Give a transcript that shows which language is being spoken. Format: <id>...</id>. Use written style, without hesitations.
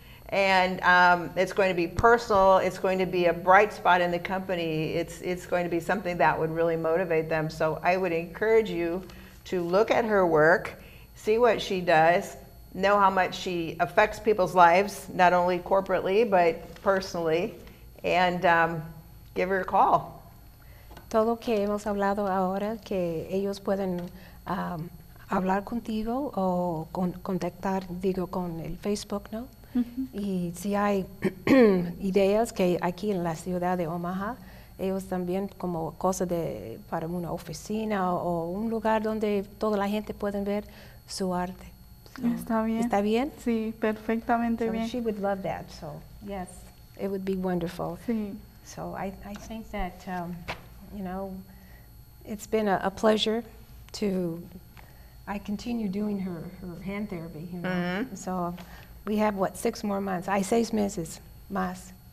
<en>And it's going to be personal, it's going to be a bright spot in the company, it's going to be something that would really motivate them. So I would encourage you to look at her work, see what she does, know how much she affects people's lives, not only corporately, but personally, and give her a call.</en> <es>Todo lo que hemos hablado ahora, que ellos pueden hablar contigo o contactar, digo, con el Facebook, ¿no? Uh-huh. Y si hay ideas que aquí en la ciudad de Omaha, ellos también como cosa de para una oficina o un lugar donde toda la gente pueden ver su arte. So, está bien. ¿Está bien? Sí, perfectamente</es> <en>so</en> <es>bien.</es> <en>She would love that, so yes, it would be wonderful.</en> <es>Sí.</es> <en>So I think that... you know, it's been a pleasure to, I continue doing her hand therapy, you know. Mm-hmm. So we have, what, 6 more months.</en> <es>Hay 6 meses más.</es>